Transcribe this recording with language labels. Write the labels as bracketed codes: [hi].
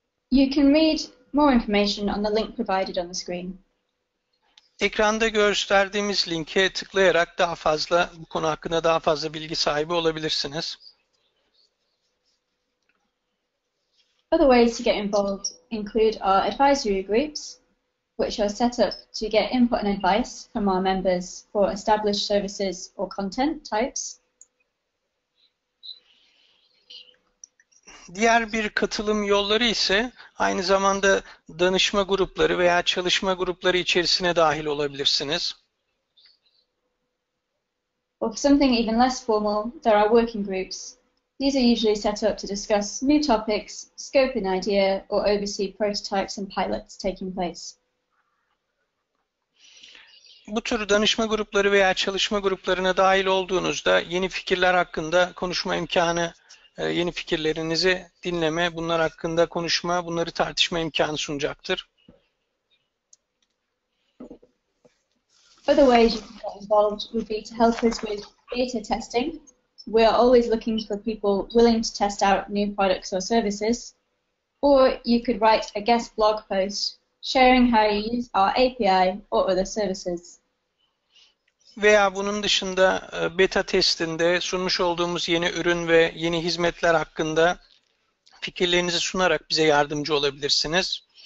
[en] You can read more information on the link provided on the screen. [tr] Ekranda gösterdiğimiz linke tıklayarak daha fazla bu konu hakkında daha fazla bilgi sahibi olabilirsiniz. [en] Other ways to get involved include our advisory groups, which are set up to get input and advice from our members for established services or content types. [tr] Diğer bir katılım yolları ise aynı zamanda danışma grupları veya çalışma grupları içerisine dahil olabilirsiniz. [en] Or for something even less formal, there are working groups. These are usually set up to discuss new topics, scope an idea, or oversee prototypes and pilots taking place. [tr] Bu tür danışma grupları veya çalışma gruplarına dahil olduğunuzda yeni fikirler hakkında konuşma imkanı, yeni fikirlerinizi dinleme, bunlar hakkında konuşma, bunları tartışma imkanı sunacaktır. [en] Other ways you can get involved would be to help us with beta testing. We are always looking for people willing to test out new products or services. Or you could write a guest blog post sharing how you use our API or other services. [tr] Veya bunun dışında beta testinde sunmuş olduğumuz yeni ürün ve yeni hizmetler hakkında fikirlerinizi sunarak bize yardımcı olabilirsiniz.